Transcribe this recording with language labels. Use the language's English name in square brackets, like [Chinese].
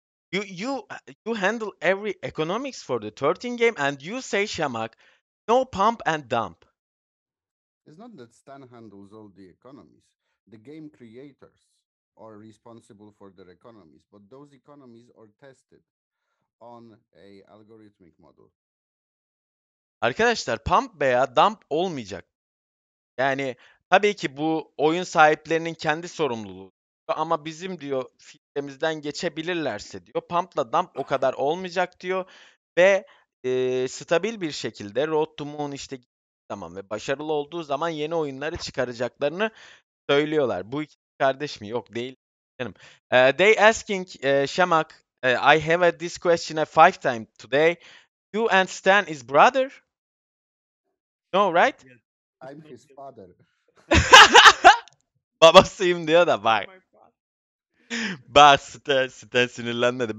[English] You handle every economics for the 13 game, and you say, Şamak, no pump and dump. It's not that Stan handles all the economies. The game creators are responsible for their economies, but those economies are tested on a algorithmic model. [Turkish] Arkadaşlar, pump veya dump olmayacak. Yani tabii ki bu oyun sahiplerinin kendi sorumluluğu. Ama bizim diyor filtremizden geçebilirlerse diyor, pump'la dump o kadar olmayacak diyor. Ve stabil bir şekilde Road to Moon işte tamam ve başarılı olduğu zaman yeni oyunları çıkaracaklarını söylüyorlar. Bu iki kardeş mi? Yok değil. Canım. [English] They asking Şamak, I have this question a 5 time today. You and Stan is brother? No, right? Yes. I'm his father. [Turkish] Babasıyım diyor da bak. Bak Stan sinirlenmedi.